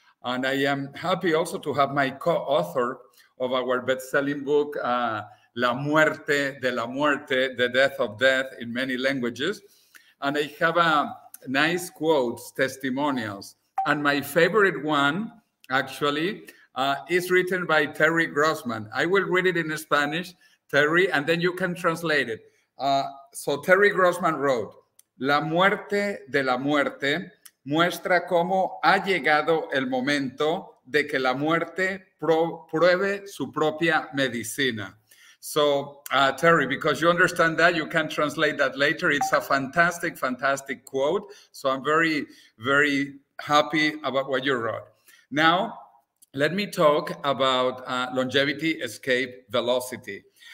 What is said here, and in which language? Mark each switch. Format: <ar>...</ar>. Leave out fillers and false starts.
<en>And I am happy also to have my co-author of our best-selling book, La Muerte de la Muerte, The Death of Death in many languages. And I have nice quotes, testimonials. And my favorite one, actually, is written by Terry Grossman. I will read it in Spanish, Terry, and then you can translate it. So Terry Grossman wrote,</en> <es>La muerte de la muerte muestra cómo ha llegado el momento de que la muerte pruebe su propia medicina.</es> <en>So Terry, because you understand that, you can translate that later. It's a fantastic, fantastic quote. So I'm very, very happy about what you wrote. Now, let me talk about longevity escape velocity.</en>